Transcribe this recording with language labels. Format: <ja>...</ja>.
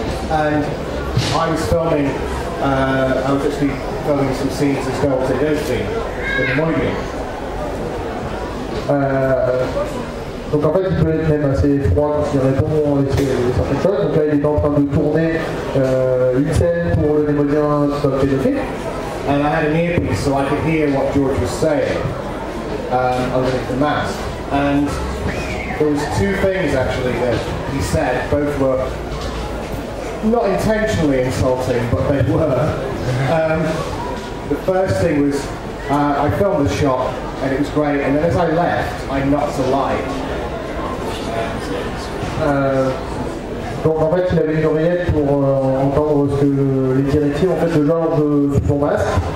<en>And I was actually filming some scenes as well as a ghost scene in the movie.</en> <fr>Donc en fait, il peut être même assez froid quand il répond à certaines choses. Donc là, il est en train de tourner une scène pour le Némodien sur le film.</fr> <en>And I had an earpiece so I could hear what George was saying underneath the mask. And there was two things actually that he said, both were not intentionally insulting, but they were. The first thing was, I filmed the shot and it was great, and then as I left, I knocked a light.</en> <fr>Donc en fait il avait une oreillette pour entendre ce que les directives en fait de Georges sous son masque.</fr>